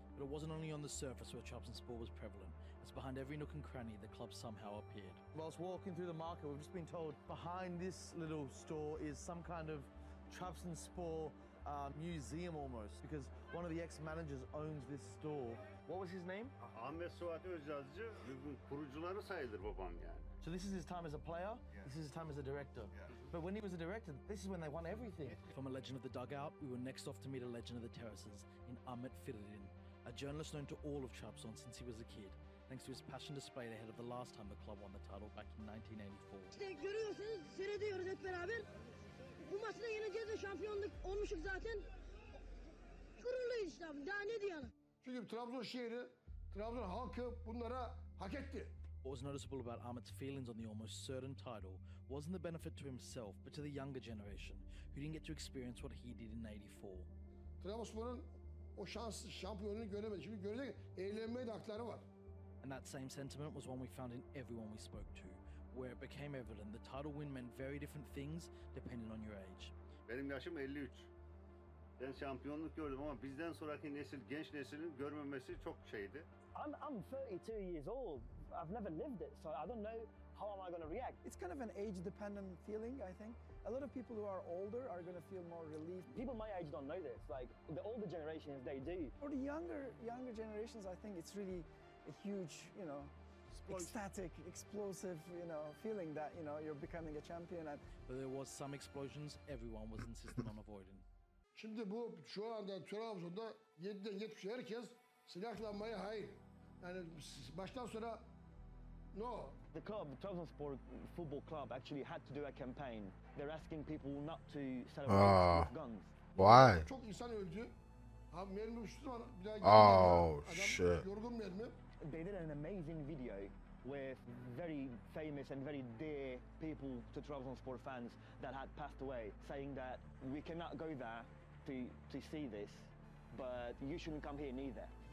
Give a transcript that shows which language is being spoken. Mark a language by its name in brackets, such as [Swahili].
[English] But it wasn't only on the surface where Trabzonspor was prevalent. It's behind every nook and cranny the club somehow appeared. Whilst walking through the market, we've just been told behind this little store is some kind of Trabzonspor museum almost, because one of the ex-managers owns this store. What was his name? [Turkish] Ahmet Suat Özyazıcı, bugün kurucuları sayılır babam yani. [English] So this is his time as a player, this is his time as a director. But when he was a director, this is when they won everything. From a legend of the dugout, we were next off to meet a legend of the terraces in Ahmet Firdin, a journalist known to all of Trabzon since he was a kid, thanks to his passion displayed ahead of the last time the club won the title back in 1984. [Turkish] İşte görüyorsunuz, seyrediyoruz hep beraber. Bu maçı da yeneceğiz de şampiyonluk olmuşuz zaten. Gururluyuz işte abi, daha ne diyelim? Çünkü Trabzon şehri, Trabzon halkı bunlara hak etti. [English] What was noticeable about Ahmet's feelings on the almost certain title wasn't the benefit to himself, but to the younger generation, who didn't get to experience what he did in 84. [Turkish] Trabzonspor'un o şanssız şampiyonluğunu göremedi. Şimdi görecek, eğlenmeye de hakları var. [English] And that same sentiment was one we found in everyone we spoke to, where it became evident the title win meant very different things depending on your age. [Turkish] Benim yaşım 53. Ben şampiyonluk gördüm ama bizden sonraki nesil, genç neslin görmemesi çok şeydi. [English] I'm 32 years old. I've never lived it, so I don't know how am I going to react. It's kind of an age-dependent feeling, I think. A lot of people who are older are going to feel more relieved. People my age don't know this. Like, the older generations, they do. For the younger generations, I think it's really a huge, you know, ecstatic, explosive, you know, feeling that, you know, you're becoming a champion. But there was some explosions everyone was insistent on avoiding. [Turkish] Şimdi bu şu anda Trabzon'da 7'den 70 herkes silahlanmaya hayır. Yani baştan sona no. [English] The club, the Trabzonspor football club, actually had to do a campaign. They're asking people not to celebrate with guns. Why? [Turkish] Çok insan öldü. Abi mermi uçtu ama bir daha geliyor. [English] Oh, shit. [Turkish] Yorgun mermi. [English] They did an amazing video with very famous and very dear people to Trabzonspor fans that had passed away, saying that we cannot go there to see this, but you shouldn't come here neither.